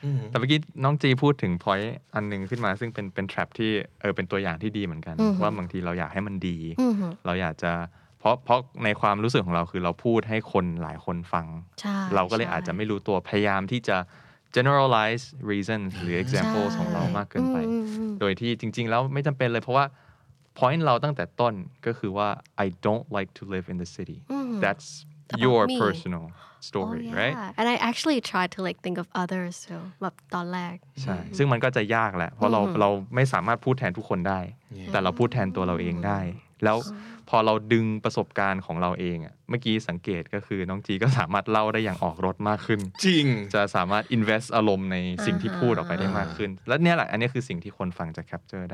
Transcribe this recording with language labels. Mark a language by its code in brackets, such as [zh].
[th] แต่เมื่อกี้น้องจีพูดถึง point อันหนึ่งขึ้นมาซึ่งเป็น trap ที่เป็นตัวอย่างที่ดีเหมือนกันว่าบางทีเราอยากให้มันดีเราอยากจะเพราะในความรู้สึกของเราคือเราพูดให้คนหลายคนฟังเราก็เลยอาจจะไม่รู้ตัวพยายามที่จะ generalize reasons หรือ examples ของเรามากเกินไปโดยที่จริงๆแล้วไม่จำเป็นเลยเพราะว่า point เราตั้งแต่ต้นก็คือว่า [en] I don't like to live in the city that'sAbout your me. Personal story, oh, yeah. right? And I actually tried to like think of others too. [th] แบบตอนแรก ใช่ซึ่งมันก็จะยากแหละเพราะเราไม่สามารถพูดแทนทุกคนได้แต่เราพูดแทนตัวเราเองได้ แล้วพอเราดึงประสบการณ์ของเราเองอ่ะเมื่อกี้สังเกตก็คือน้องจีก็สามารถเล่าได้อย่างออกรถมากขึ้น จริง จะสามารถ invest อารมณ์ในสิ่งที่พูดออกไปได้มากขึ้นและเนี่ยแหละอันนี้คือสิ่งที่คนฟังจะ capture ได